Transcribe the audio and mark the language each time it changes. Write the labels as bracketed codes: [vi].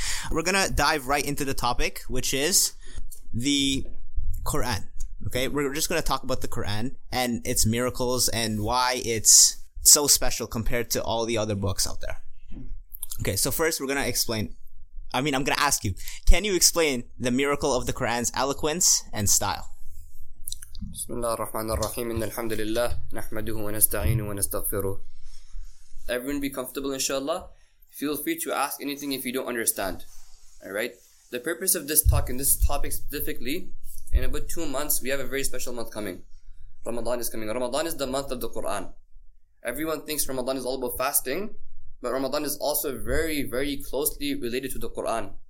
[en] We're going to dive right into the topic, which is the Quran. Okay. We're just going to talk about the Quran and its miracles and why it's so special compared to all the other books out there. Okay. So first, I'm going to ask you, can you explain the miracle of the Quran's eloquence and style? [ar] بسم الله الرحمن الرحيم إن الحمد لله نحمده ونستعينه ونستغفره. [en] Everyone be comfortable inshallah. Feel free to ask anything if you don't understand. Alright? The purpose of this talk and this topic specifically, in about 2 months, we have a very special month coming. Ramadan is coming. Ramadan is the month of the Quran. Everyone thinks Ramadan is all about fasting, but Ramadan is also very, very closely related to the Quran.